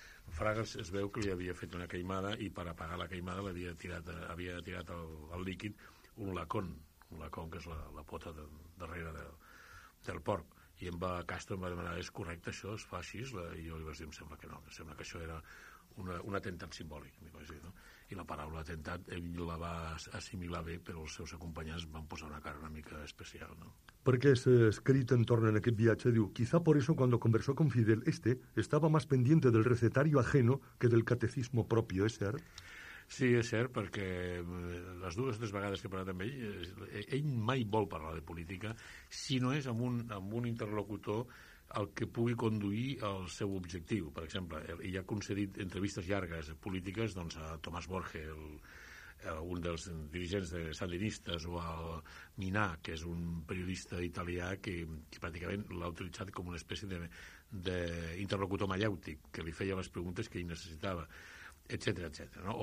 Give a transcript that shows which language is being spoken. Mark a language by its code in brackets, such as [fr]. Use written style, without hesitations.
[ca] El Fraga es veu que li havia fet una caimada i per apagar la caimada havia tirat al líquid un lacón, que és la pota darrere del porc. I en Castro em va demanar, és correcte això, es fa així? I jo li vaig dir, em sembla que no, em sembla que això era un atemptat simbòlic, m'hi vaig dir, no? I la paraula atemptat ell la va assimilar bé, però els seus acompanyants van posar una cara una mica especial, no? Perquè és escrit entorn en aquest viatge, diu, [es] quizá por eso cuando conversó con Fidel, este estaba más pendiente del recetario ajeno que del catecismo propio, [ca] ¿es cert? Sí, és cert, perquè les dues o tres vegades que he parlat amb ell, ell mai vol parlar de política, si no és amb un interlocutor el que pugui conduir al seu objectiu. Per exemple, ell ha concedit entrevistes llargues polítiques doncs, a Tomás Borges, un dels dirigents de sandinistes, o al Minà, que és un periodista italià que pràcticament l'ha utilitzat com una espècie d'interlocutor maiàutic, que li feia les preguntes que ell necessitava, etcètera, etcètera. No?